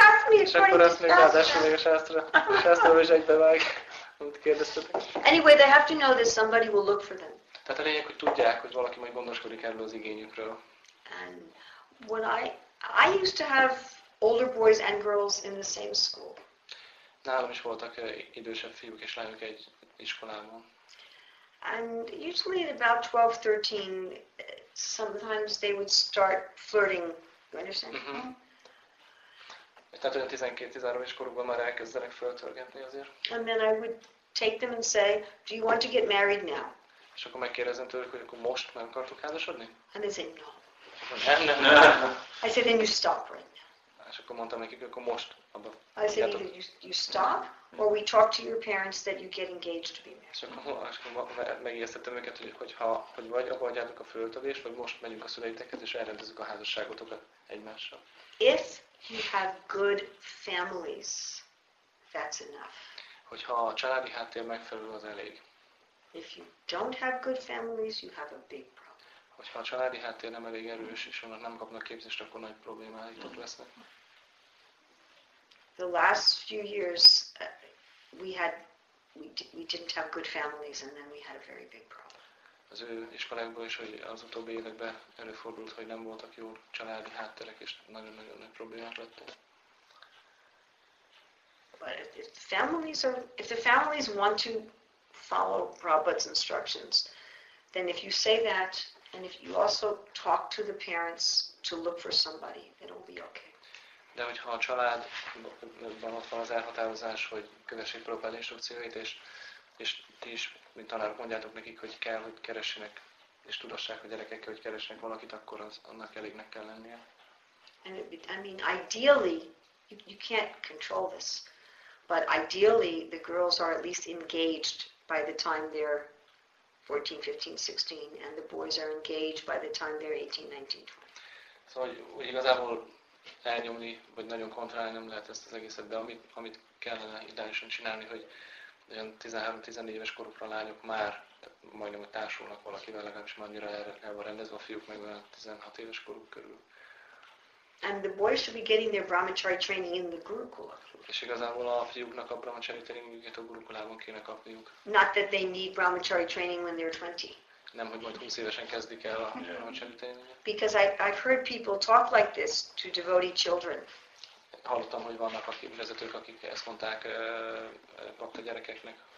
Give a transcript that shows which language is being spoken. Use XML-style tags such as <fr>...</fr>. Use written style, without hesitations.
<hu>És akkor azt még ráadásul még a Shastra is egybevág.</hu> <en>Anyway, they have to know that somebody will look for them.</en> <hu>Tehát a lényeg, hogy tudják, hogy valaki majd gondoskodik erről az igényükről.</hu> <en>And when I used to have older boys and girls in the same school.</en> <hu>Nálam is voltak idősebb fiúk és lányok egy iskolában.</hu> <en>And usually at about 12, 13, sometimes they would start flirting. You understand?</en> <hu>Tehát olyan 12-13 éves korukban már elkezdenek föltörgetni azért.</hu> <en>And then I would take them and say, do you want to get married now?</en> <hu>És akkor megkérdezem tőlük, hogy akkor most meg akartok házasodni?</hu> <en>And they say, no.</en> <hu>Nem.</hu> <en>I say, then you stop right now.</en> <hu>És akkor mondtam nekik, akkor most abba.</hu> <en>I said either you stop, or we talk to your parents that you get engaged to be married.</en> <hu>És akkor megijesztettem őket, hogy vagy abba adjátok a föltövést, vagy most megyünk a szüleitekhez, és elrendezzük a házasságotokat egymással.</hu> <en>If you have good families, that's enough.</en> <hu>Hogyha a családi háttér megfelelő, az elég.</hu> <en>If you don't have good families, you have a big problem.</en> <hu>Hogyha a családi háttér nem elég erős, és onnan nem kapnak képzést, akkor nagy problémáitok lesznek.</hu> <en>The last few years we didn't have good families, and then we had a very big problem.</en> <hu>Az ő iskolákból is, hogy az utóbbi években előfordult, hogy nem voltak jó családi hátterek, és nagyon-nagyon nagy problémák lettek.</hu> <en>But if the families want to follow Prabhupada's instructions, then if you say that, and if you also talk to the parents to look for somebody, it'll be okay.</en> <hu>De hogyha a családban ott van az elhatározás, hogy kövessék Prabhupada instrukcióit, és ti is, mint tanárok, mondjátok nekik, hogy kell, hogy keressenek, és tudassák a gyerekek, hogy keressenek valakit, akkor az annak elégnek kell lennie.</hu> <en>And ideally, you can't control this, but ideally the girls are at least engaged by the time they're 14, 15, 16, and the boys are engaged by the time they're 18, 19, 20.</en> <hu>Szóval igazából elnyomni, vagy nagyon kontrollálni nem lehet ezt az egészet, de amit kellene ideálisan csinálni, hogy olyan 13-14 éves korukra a lányok már majdnem, hogy társulnak valakivel, legalábbis már annyira el van rendezve, a fiúk meg olyan 16 éves koruk körül.</hu> <en>And the boys should be getting their brahmachari training in the gurukula.</en> <hu>És igazából a fiúknak a brahmachari tréningüket a gurukulában kéne kapniuk.</hu> <en>Not that they need brahmachari training when they're 20.</en> <hu>Nem, hogy majd 20 évesen kezdik el a brahmachari tréninget.</hu> <en>Because I've heard people talk like this to devotee children.</en> <hu>Hallottam, hogy vannak akik vezetők, akik ezt mondták bakta gyerekeknek.</hu>